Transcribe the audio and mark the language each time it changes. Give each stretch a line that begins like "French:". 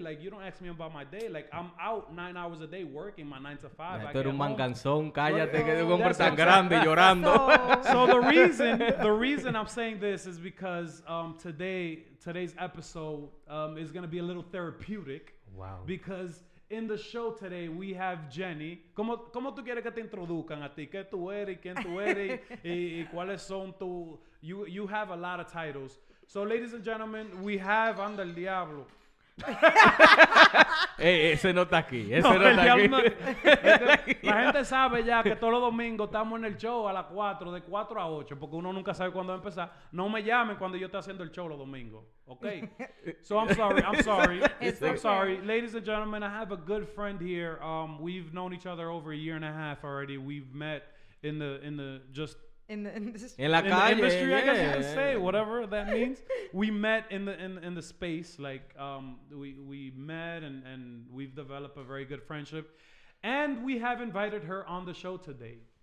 English: Like, you don't ask me about my day. Like, I'm out 9 hours a day working my 9 to 5.
Spanish: Tú eres un manganzón, cállate, que eres un hombre tan grande llorando.
English: So the reason I'm saying this is because today's episode is gonna be a little therapeutic. Wow. Because in the show today we have Jenny.
Spanish: ¿Cómo tú quieres que te introduzcan a ti? ¿Qué tú eres? ¿Quién tú eres? ¿Y cuáles son tu?
English: You have a lot of titles. So, ladies and gentlemen, we have Anda el Diablo.
Spanish: Hey, ese no está aquí. Ese no está aquí. La gente sabe ya que todos los domingos estamos en el show a las 4, de 4 a 8, porque uno nunca sabe cuándo va a empezar. No me llamen cuando yo esté haciendo el show los domingos.
English: Okay? So, I'm sorry. I'm sorry. Ladies and gentlemen, I have a good friend here. We've known each other over a year and a half already. We've met in the industry, whatever that means. We met in the space, like, we met and we've developed a very good friendship, and we have invited her on the show today.